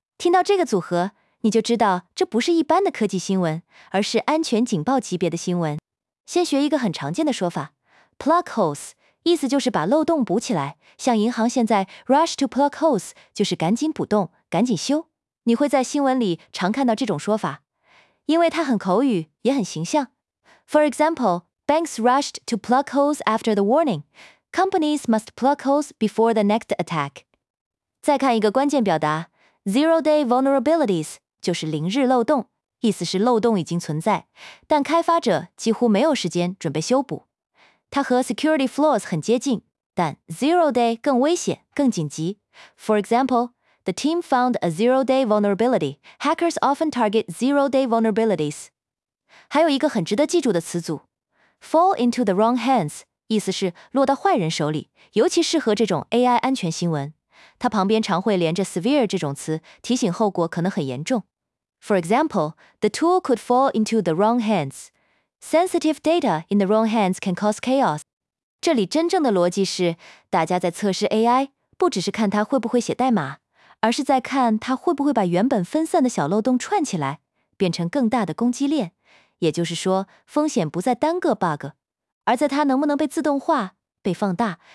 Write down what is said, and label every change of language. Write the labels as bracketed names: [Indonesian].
[Chinese] 听到这个组合，你就知道这不是一般的科技新闻，而是安全警报级别的新闻。先学一个很常见的说法 ，plug holes， 意思就是把漏洞补起来。像银行现在 [English] rush to plug holes， [Chinese] 就是赶紧补洞，赶紧修。你会在新闻里常看到这种说法。因为它很口语，也很形象。 [English] For example, banks rushed to plug holes after the warning. Companies must plug holes before the next attack. [Chinese] 再看一个关键表达 ，zero-day vulnerabilities 就是零日漏洞，意思是漏洞已经存在，但开发者几乎没有时间准备修补。它和 security flaws 很接近，但 zero-day 更危险、更紧急。 [English] For example,The team found a zero-day vulnerability. Hackers often target zero-day vulnerabilities. [Chinese] 还有一个很值得记住的词组 ， [English] fall into the wrong hands， [Chinese] 意思是落到坏人手里，尤其适合这种 AI 安全新闻。它旁边常会连着 severe 这种词，提醒后果可能很严重。 [English] For example, the tool could fall into the wrong hands. Sensitive data in the wrong hands can cause chaos. [Chinese] 这里真正的逻辑是，大家在测试 AI， 不只是看它会不会写代码。而是在看它会不会把原本分散的小漏洞串起来，变成更大的攻击链。也就是说，风险不在单个 bug， 而在它能不能被自动化、被放大。